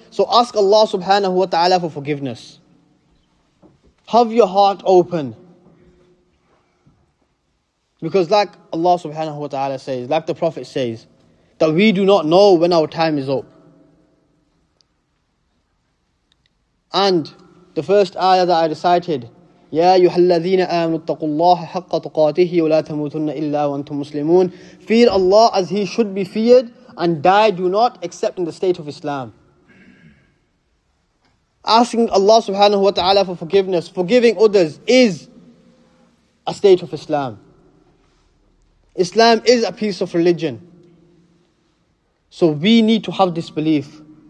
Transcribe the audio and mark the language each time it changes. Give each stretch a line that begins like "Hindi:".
English: So ask Allah subhanahu wa ta'ala for forgiveness. Have your heart open. Because like Allah subhanahu wa ta'ala says, like the Prophet says, that we do not know when our time is up. And the first ayah that I recited,
Arabic: يَا أَيُّهَا الَّذِينَ آمَنُوا اتَّقُوا اللَّهَ حَقَّ تُقَاتِهِ وَلَا تَمُوتُنَّ إِلَّا وَأَنْتُمْ مُسْلِمُونَ.
English: Fear Allah as he should be feared, and die, do not, except in the state of Islam. Asking Allah subhanahu wa ta'ala for forgiveness, forgiving others, is a state of Islam. Islam is a piece of religion. So we need to have this belief.